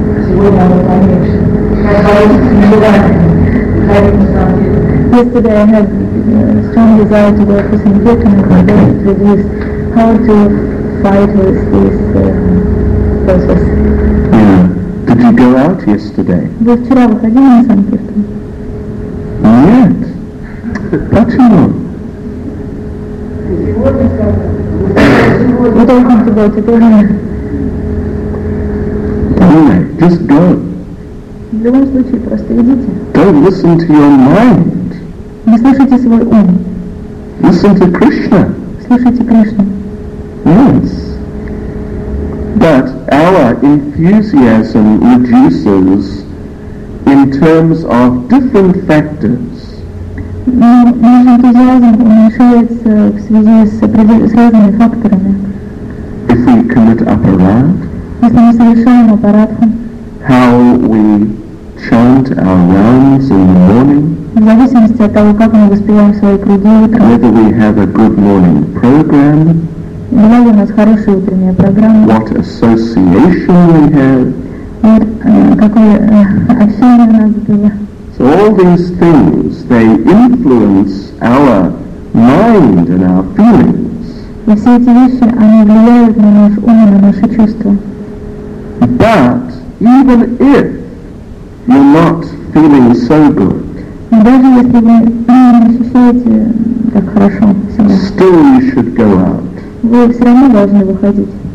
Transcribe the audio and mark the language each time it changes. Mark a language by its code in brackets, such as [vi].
[ru] Сегодня оно поменьше. Мне кажется, не желание. [en] Yesterday I had a strong desire to go to Sankirtan and compare it with this. How to fight with this process? Yeah. Did you go out yesterday? [ru] Вчера выходили на Санкиртан. Нет. Почему? [en] You don't have to go to the room. Why? Just go. [ru] В любом случае, просто идите. [en] Don't listen to your mind. [ru] Не слушайте свой ум. [en] Listen to Krishna. [ru] Слушайте Кришну. [en] Yes. But our enthusiasm reduces in terms of different factors. [ru] Наш энтузиазм уменьшается в связи с разными факторами. [en] If we commit aparad, [ru] если мы совершаем апарадху, [en] how we chant our rounds in the morning, [ru] в зависимости от того, как мы воспеваем свои круги утром, [en] whether we have a good morning program, [ru] была ли у нас хорошая утренняя программа, [en] what association we have, [ru] какое общение у нас было. [en] So all these things, they influence our mind and our feelings. [ru] И все эти вещи, они влияют на наш ум и на наши чувства. [en] But even if you're not feeling so good, [ru] даже если вы не ощущаете так хорошо себя, [en] still you should go out. [ru] Вы все равно должны выходить.